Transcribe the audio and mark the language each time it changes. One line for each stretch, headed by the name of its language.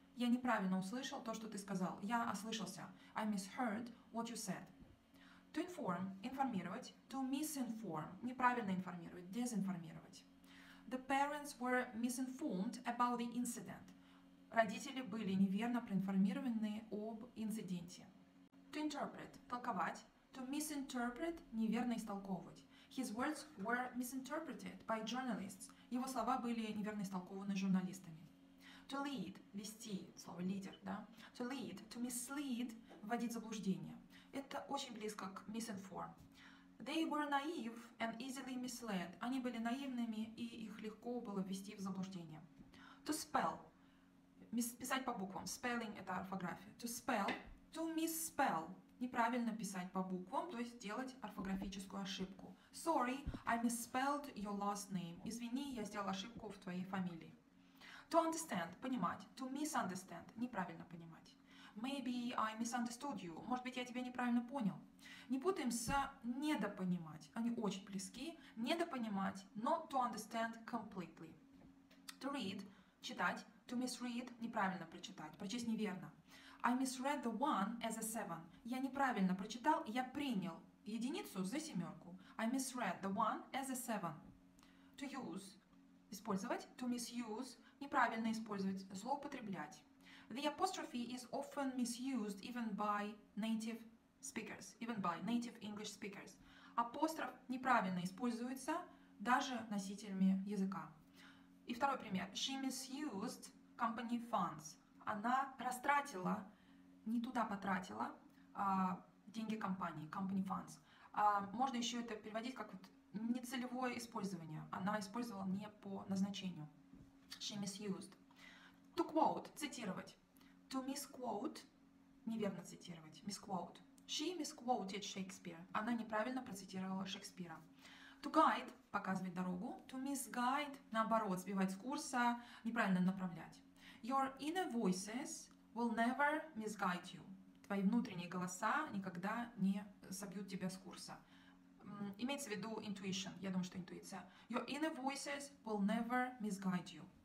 Russian: Я неправильно услышал то, что ты сказал. Я ослышался.
English: I misheard what you said. To inform — информировать. To misinform
Russian: — неправильно информировать, дезинформировать.
English: The parents were misinformed about the incident.
Russian: Родители были неверно проинформированы об инциденте.
English: To interpret — толковать. To misinterpret
Russian: — неверно истолковывать.
English: His words were misinterpreted by journalists.
Russian: Его слова были неверно истолкованы журналистами.
English: To lead
Russian: — вести, слово лидер, да?
English: To lead — to mislead —
Russian: вводить заблуждение. Это очень близко к misinform.
English: They were naive and easily misled.
Russian: Они были наивными, и их легко было ввести в заблуждение.
English: To spell
Russian: — писать по буквам. Spelling — это орфография.
English: To spell — to misspell
Russian: — неправильно писать по буквам, то есть делать орфографическую ошибку.
English: Sorry, I misspelled your last name.
Russian: Извини, я сделал ошибку в твоей фамилии.
English: To understand — понимать. To misunderstand
Russian: — неправильно понимать.
English: Maybe I misunderstood you.
Russian: Может быть, я тебя неправильно понял. Не путаем с недопонимать. Они очень близки. Недопонимать
English: — not to understand completely. To read — читать. To misread
Russian: — неправильно прочитать. Прочесть неверно.
English: I misread the one as a seven.
Russian: Я неправильно прочитал, я принял единицу за семерку.
English: I misread the one as a seven. To use — использовать. To misuse
Russian: — неправильно использовать, злоупотреблять.
English: The apostrophe is often misused even by native speakers, even by native English speakers.
Russian: Апостроф неправильно используется даже носителями языка. И второй пример.
English: She misused company funds.
Russian: Она растратила, не туда потратила деньги компании, company funds. Можно еще это переводить как вот нецелевое использование. Она использовала не по назначению.
English: She misused. To quote — цитировать. To misquote
Russian: — неверно цитировать.
English: Misquote. She misquoted Shakespeare.
Russian: Она неправильно процитировала Шекспира.
English: To guide
Russian: — показывать дорогу.
English: To misguide
Russian: — наоборот, сбивать с курса, неправильно направлять.
English: Your inner voices will never misguide you.
Russian: Твои внутренние голоса никогда не собьют тебя с курса. Имеется в виду intuition, я думаю, что интуиция.
English: Your inner voices will never misguide you.